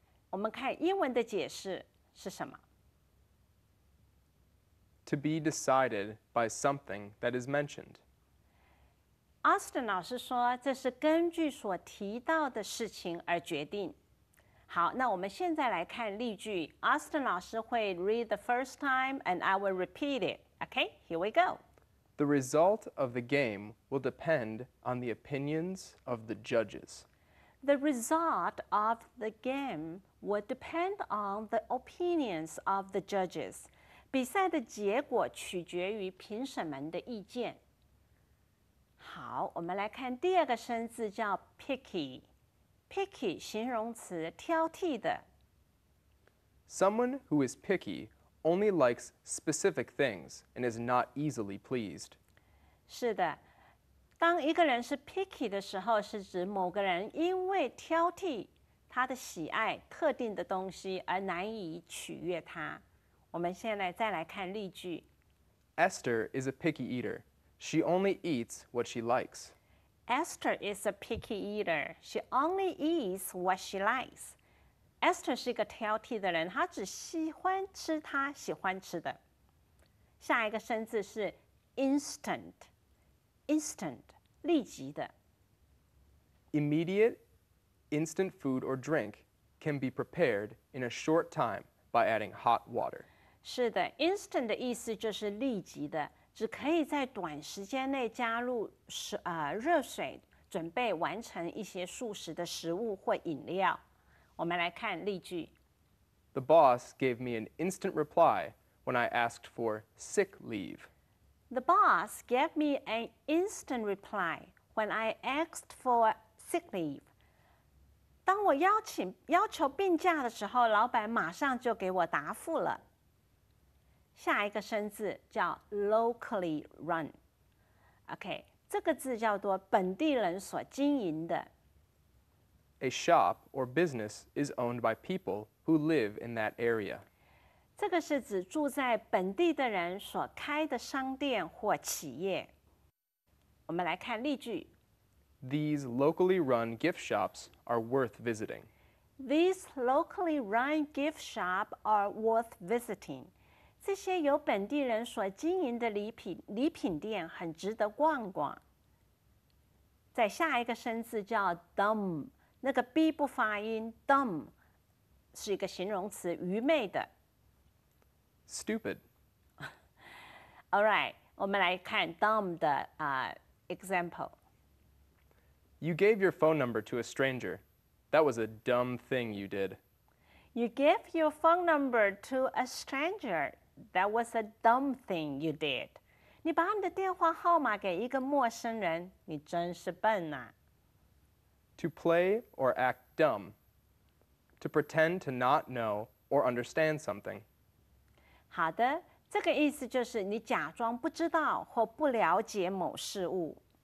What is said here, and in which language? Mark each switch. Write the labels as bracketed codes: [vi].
[zh] 我们看英文的解释是什么? [en] To be decided by something that is mentioned. [zh] Austin老师说, 这是根据所提到的事情而决定。好,那我们现在来看例句, Austin老师会 [en] read the first time and I will repeat it. Okay, here we go. The result of the game will depend on the opinions of the judges. The result of the game will depend on the opinions of the judges. [zh] 比赛的结果取决于评审们的意见。好，我们来看第二个生字叫 picky。 Picky 形容词，挑剔的。 [en] Someone who is picky only likes specific things and is not easily pleased. [zh] 是的，当一个人是 picky 的时候，是指某个人因为挑剔他的喜爱特定的东西而难以取悦他。我们现在再来看例句。 [en] Esther is a picky eater. She only eats what she likes. Esther is a picky eater. She only eats what she likes. [zh] Esther 是一个挑剔的人，她只喜欢吃她喜欢吃的。下一个生字是 instant. Instant, 立即的。 [en] Immediate instant food or drink can be prepared in a short time by adding hot water. [zh] 是的 ,instant 的意思就是立即的只可以在短时间内加入热水准备完成一些速食的食物或饮料。我们来看例句。 [en] The boss gave me an instant reply when I asked for sick leave. The boss gave me an instant reply when I asked for sick leave. [zh] 当我要求病假的时候老板马上就给我答复了。下一个生字叫 locally run. OK, 这个字叫做本地人所经营的。 [en] A shop or business is owned by people who live in that area. [zh] 这个是指住在本地的人所开的商店或企业。我们来看例句。 [en] These locally run gift shops are worth visiting. These locally run gift shops are worth visiting. [zh] 这些由本地人所经营的礼品店很值得逛逛。再下一个生字叫 dumb, 那个 B 不发音 ,dumb, 是一个形容词愚昧的。 [en] Stupid. [zh] Alright, 我们来看 dumb 的example. [en] You gave your phone number to a stranger. That was a dumb thing you did. You gave your phone number to a stranger. That was a dumb thing you did. [zh] 你把你的电话号码给一个陌生人，你真是笨啊。 [en] To play or act dumb. To pretend to not know or understand something. [zh] 好的，这个意思就是你假装不知道或不了解某事物。